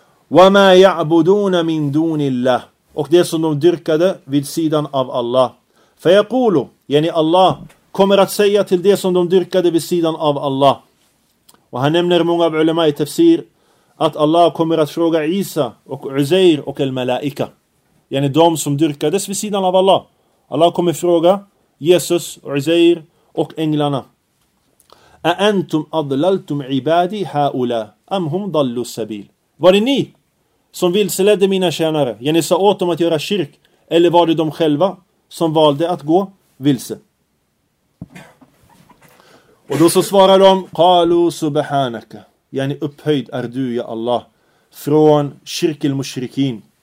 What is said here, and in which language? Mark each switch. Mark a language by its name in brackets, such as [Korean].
[Arabic] وَمَا يَعْبُدُونَ مِنْ دُونِ اللَّهِ, [Swedish] och det som de dyrkade vid sidan av Allah. [Arabic] فَيَقُولُ, [Swedish] yani Allah kommer att säga till det som de dyrkade vid sidan av Allah. Och han nämner många av ulema i tafsir att Allah kommer att fråga Isa och Uzair och al-Malaika, yani de som dyrkades vid sidan av Allah. Allah kommer fråga Jesus, Uzair och änglarna: [Arabic] أَأَنْتُمْ أَضْلَلْتُمْ عِبَادِي هَاُولَى أَمْ هُمْ ضَلُّ السَّبِيلِ. [Swedish] Var det ni som vilseledde mina tjänare? Yani sa åt dem att göra kyrk, eller var det de själva som valde att gå vilse? Och då så svarar de: [Arabic] قَالُوا سُبْحَانَكَ, [Swedish] yani upphöjd är du, ja Allah, från kyrk al-mushrikin.